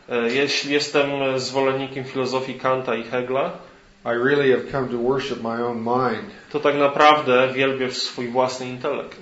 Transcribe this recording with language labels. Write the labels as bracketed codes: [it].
[pl] jeśli jestem zwolennikiem filozofii Kanta i Hegla, [en] I really have come to worship my own mind. [pl] To tak naprawdę wielbię swój własny intelekt.